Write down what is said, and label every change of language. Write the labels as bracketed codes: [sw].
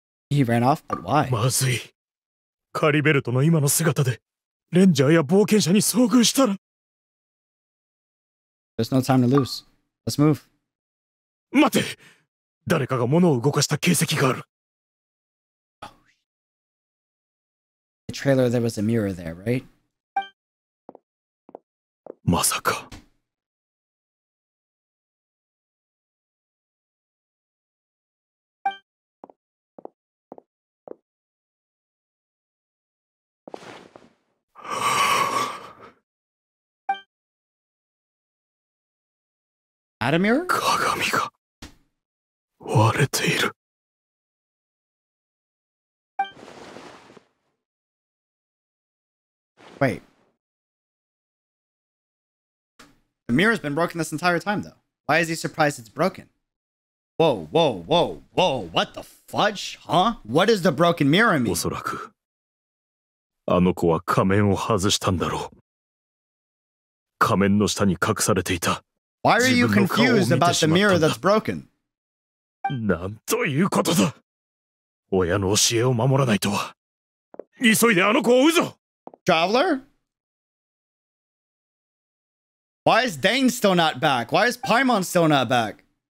[en] He ran off, but why? [ja] まずい。カリベルトの今の姿でレンジャーや冒険者に遭遇したら。 [en] There's no time to lose. Let's move. [ja] 待て!誰かが物を動かした形跡がある! [en] Oh. The trailer, there was a mirror there, right? [ja] まさか… [en] Add a mirror? [ja] 鏡が… 割れている。 [en] Wait. The mirror's been broken this entire time, though. Why is he surprised it's broken? Whoa. What the fudge? Huh? What does the broken mirror mean? [ja] おそらく… あの子は仮面を外したんだろう。仮面の下に隠されていた。 [en] Why are you confused about the mirror that's broken? [ja] なんということだ! 親の教えを守らないとは!急いであの子を追うぞ! [en] Traveler? Why is Dane still not back? Why is Paimon still not back?